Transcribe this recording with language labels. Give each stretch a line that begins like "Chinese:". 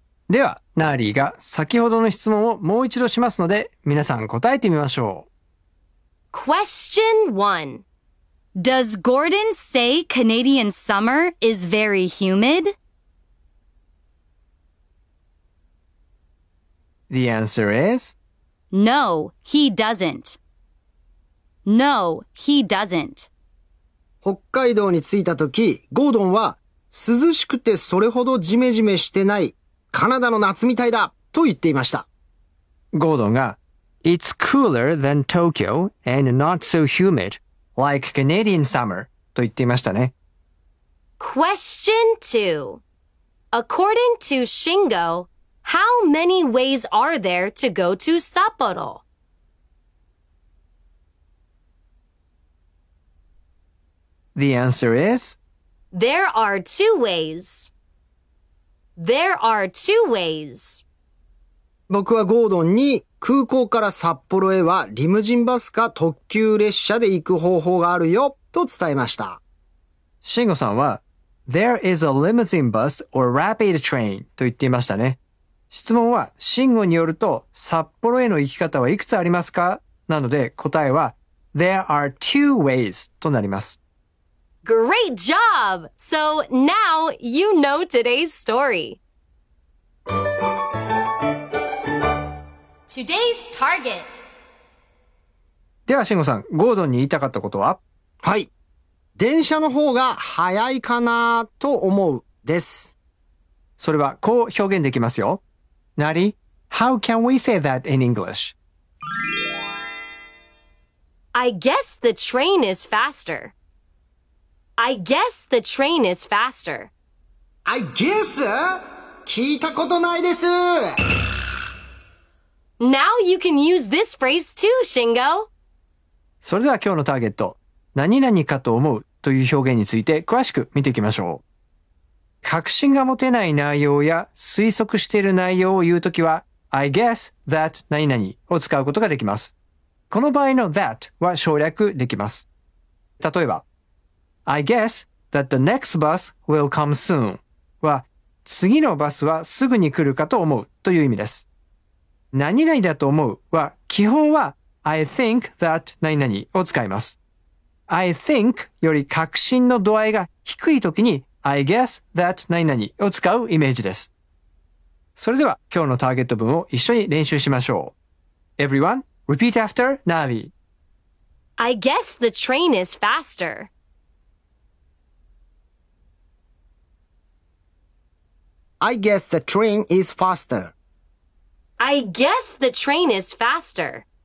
Japanese: では、ナーリーが先ほどの質問をもう一度しますので、皆さん答えてみましょう。
English: Question 1. Does Gordon say Canadian summer is very humid? The answer is... No, he doesn't. No, he doesn't.
Japanese: 北海道に着いた時、ゴードンは涼しくてそれほどジメジメしてないカナダの夏みたいだと言っていました。ゴードンが
English: It's cooler than Tokyo and not so humid like Canadian summer
Japanese: と言っていましたね。
English: Question 2 According to Shingo, how many ways are there to go to Sapporo? The answer is? There are two ways. There are two ways.
Japanese: 僕はゴードンに空港から札幌へはリムジンバスか特急列車で行く方法があるよと伝えました。シンゴさんは
English: There is a limousine bus or rapid train
Japanese: と言っていましたね。質問はシンゴによると札幌への行き方はいくつありますか? なので答えは
English: There are two ways
Japanese: となります。
English: Great job! So now you know today's story. Today's target.
Japanese: では、慎吾さん、ゴードンに言いたかったことは? はい。電車の方が早いかなと思うです。それはこう表現できますよ。
English: なり、How can we say that in English? I guess the train is faster. I guess the train is faster. I guess?
Japanese: 聞いたことないです。
English: Now you can use this phrase too, Shingo.
Japanese: それでは今日のターゲット、何々かと思うという表現について詳しく見ていきましょう。確信が持てない内容や推測している内容を言うときは、
English: I guess that
Japanese: 何々を使うことができます。この場合の that は省略できます。例えば、
English: I guess that the next bus will come soon
Japanese: は次のバスはすぐに来るかと思うという意味です。何々だと思うは基本は
English: I think that
Japanese: 何々を使います。
English: I think
Japanese: より確信の度合いが低い時に
English: I guess that
Japanese: 何々を使うイメージです。それでは今日のターゲット文を一緒に練習しましょう。
English: Everyone, repeat after Navi. I guess the train is faster. I guess the train is faster. I guess the train is faster.